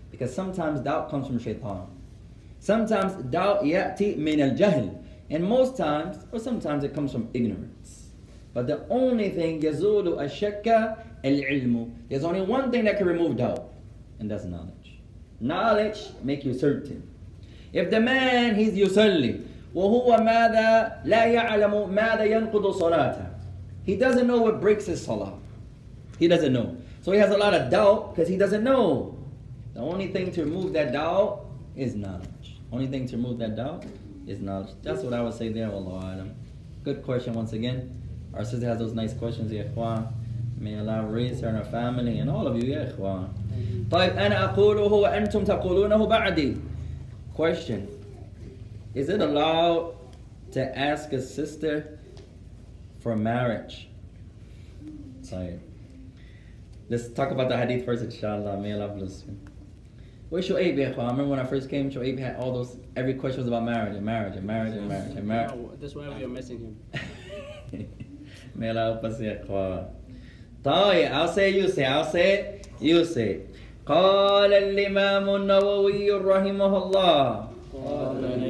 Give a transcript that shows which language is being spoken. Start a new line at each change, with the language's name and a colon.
English: Because sometimes doubt comes from shaitan. Sometimes doubt
Arabic: ya'ti min al-jahl.
English: And most times, or sometimes it comes from ignorance. But the only thing,
Arabic: yazulu ashakka al-ilmu.
English: There's only one thing that can remove doubt, and that's knowledge. Knowledge make you certain. If the man, he's yusalli,
Arabic: وَهُوَ مَاذَا لَا يَعْلَمُ مَاذَا يَنْقُضُ صَلَاتًا.
English: He doesn't know what breaks his salah. He doesn't know. So he has a lot of doubt because he doesn't know. The only thing to remove that doubt is knowledge. Only thing to remove that doubt is knowledge. That's what I would say there, Allah Alam. Good question once again. Our sister has those nice questions, Ya Ikhwan. May Allah raise her and her family and all of you, Ya Ikhwan.
Arabic: طيب أنا أقوله وأنتم تقولونه بعدي.
English: Question. Is it allowed to ask a sister for marriage? Sorry. Let's talk about the hadith first, inshallah. May Allah bless you. Where's Shu'aib, ya khwa? I remember when I first came, Shu'aib had all those, every question was about marriage, and marriage, and marriage, and marriage, and marriage. That's why we are missing him. May Allah help us, ya khwa. Tayy, I'll say it.
Arabic: قال الإمام النووي رحمه الله.